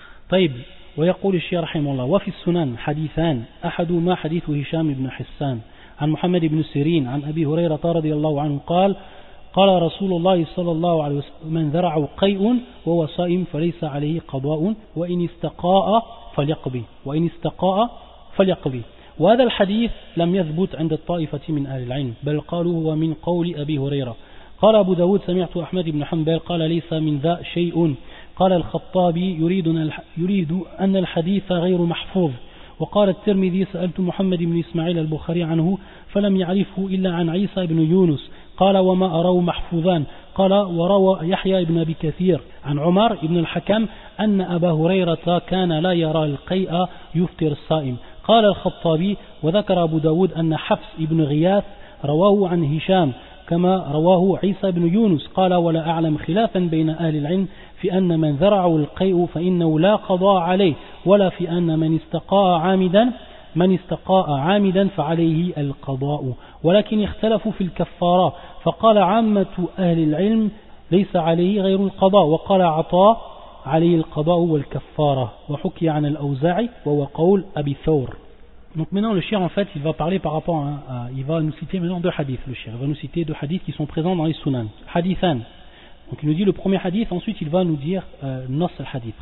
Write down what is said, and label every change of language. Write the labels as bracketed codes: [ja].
[ar] Taïb, wa yaqul al-shaykh rahimahullah wa fi sunan hadithan ahadu ma hadith Hisham ibn Hassan an Muhammad ibn Sirin an Abi Hurayra radiyallahu anhu qala قال رسول الله صلى الله عليه وسلم من ذرع قيء وهو صائم فليس عليه قضاء وإن استقاء فليقضي وإن استقاء فليقضي. وهذا الحديث لم يثبت عند الطائفة من أهل العلم بل قالوا هو من قول أبي هريرة. قال أبو داود سمعت أحمد بن حنبل قال ليس من ذا شيء. قال الخطابي يريد أن الحديث غير محفوظ. وقال الترمذي سألت محمد بن إسماعيل البخاري عنه فلم يعرفه إلا عن عيسى بن يونس قال وما أروا محفوظان. قال وروى يحيى بن أبي كثير عن عمر بن الحكم أن أبا هريرة كان لا يرى القيء يفطر الصائم. قال الخطابي وذكر أبو داود أن حفص بن غياث رواه عن هشام كما رواه عيسى بن يونس. قال ولا أعلم خلافا بين أهل العلم في أن من ذرع القيء فإنه لا قضاء عليه ولا في أن من استقاء عامدا فعليه القضاء ولكن اختلفوا في الكفارة فقال عامة أهل العلم ليس عليه غير القضاء وقال عطاء عليه القضاء والكفارة وحكي عن الأوزاعي وهو قول أبي ثور. [fr] Donc maintenant le shir en fait il va parler par rapport à il va nous citer maintenant deux hadiths, le shir il va nous citer deux hadiths qui sont présents dans les sunan hadithan. Donc il nous dit le premier hadith, ensuite il va nous dire nas al hadith.